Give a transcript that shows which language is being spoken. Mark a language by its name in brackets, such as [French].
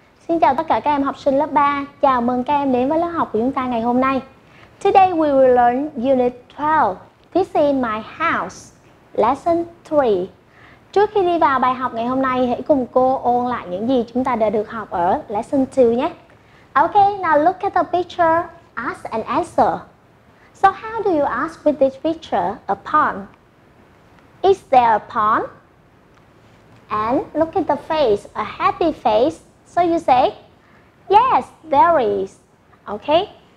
[Vietnamese] Xin chào tất cả các em học sinh lớp 3. Chào mừng các em đến với lớp học của chúng ta ngày hôm nay. [English] Today we will learn Unit 12, This is my house, Lesson 3. [Vietnamese] Trước khi đi vào bài học ngày hôm nay, hãy cùng cô ôn lại những gì chúng ta đã được học ở Lesson 2 nhé. [English] Okay, now look at the picture, ask and answer. So how do you ask with this picture, a pond? Is there a pond? And look at the face, a happy face. So you say, yes, there is. Okay.